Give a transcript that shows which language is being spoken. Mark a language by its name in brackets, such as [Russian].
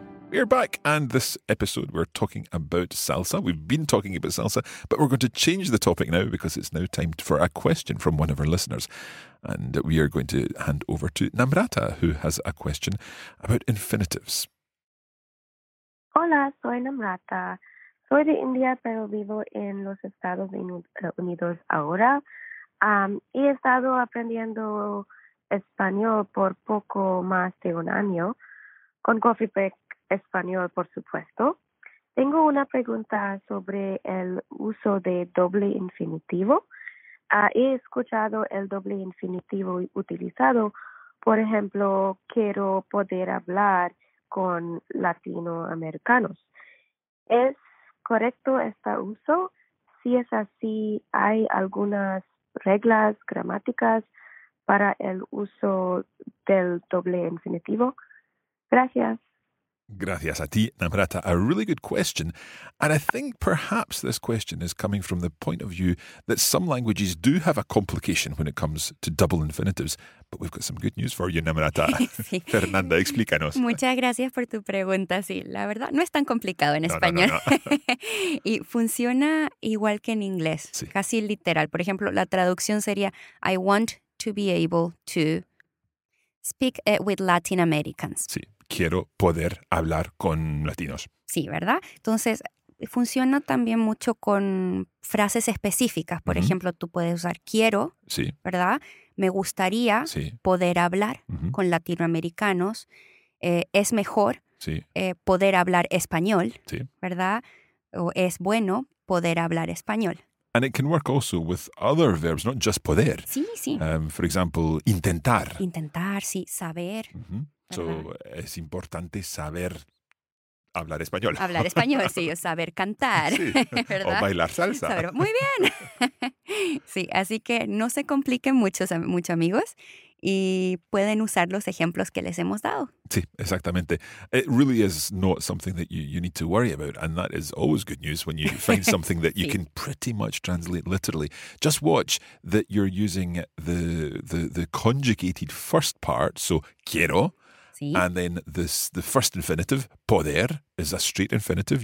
[English] We're back, and this episode we're talking about salsa. We've been talking about salsa, but we're going to change the topic now because it's now time for a question from one of our listeners. And we are going to hand over to Namrata, who has a question about infinitives. [Spanish] Hola, soy Namrata. Soy de India, pero vivo en los Estados Unidos ahora. Y he estado aprendiendo español por poco más de un año con Coffee Break Español, por supuesto. Tengo una pregunta sobre el uso de doble infinitivo. He escuchado el doble infinitivo utilizado, por ejemplo, quiero poder hablar con latinoamericanos. ¿Es correcto este uso? Si es así, ¿hay algunas reglas gramáticas para el uso del doble infinitivo? Gracias. Gracias a ti, [English] Namrata. A really good question. And I think perhaps this question is coming from the point of view that some languages do have a complication when it comes to double infinitives. But we've got some good news for you, Namrata. [Spanish] Sí. Fernanda, explícanos. Muchas gracias por tu pregunta. Sí, la verdad, no es tan complicado en español. No. Y funciona igual que en inglés, sí. Casi literal. Por ejemplo, la traducción sería, [English] I want to be able to speak with Latin Americans. [Spanish] Sí. Quiero poder hablar con latinos. Sí, ¿verdad? Entonces, funciona también mucho con frases específicas. Por ejemplo, tú puedes usar quiero, sí. ¿Verdad? Me gustaría sí. poder hablar con latinoamericanos. Es mejor sí. Poder hablar español, sí. ¿Verdad? O es bueno poder hablar español. [English] And it can work also with other verbs, not just poder. [Spanish] Sí, sí. [English] For example, intentar. [Spanish] Intentar, sí. Saber. Mm-hmm. So, es importante saber hablar español. Hablar español, sí, o saber cantar, sí. ¿Verdad? O bailar salsa. Saber, muy bien. Sí, así que no se compliquen mucho, amigos, y pueden usar los ejemplos que les hemos dado. Sí, exactamente. [English] It really is not something that you need to worry about, and that is always good news when you find something that you [Spanish] sí. [English] can pretty much translate literally. Just watch that you're using the conjugated first part, so quiero. And then the first infinitive, poder, is a straight infinitive.